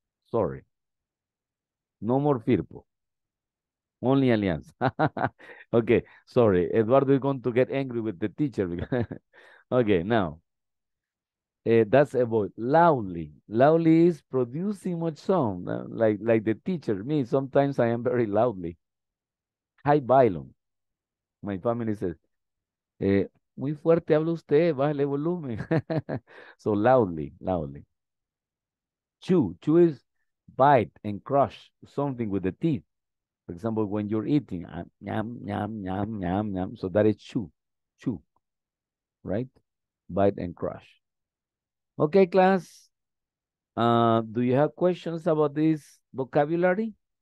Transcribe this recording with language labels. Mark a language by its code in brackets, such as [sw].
[en] Sorry. No more Firpo. Only Alianza. Okay, sorry. Eduardo is going to get angry with the teacher. Okay, now. That's avoid. Loudly. Loudly is producing much sound. Like the teacher, me, sometimes I am very loudly. High volume. My family says, [es] muy fuerte habla usted, bájale volumen. [en] So loudly, loudly. Chew. Chew is bite and crush something with the teeth. For example, when you're eating, yam, yam, yam, yam, yam. So that is chew. Chew. Right? Bite and crush. Okay, class, do you have questions about this vocabulary?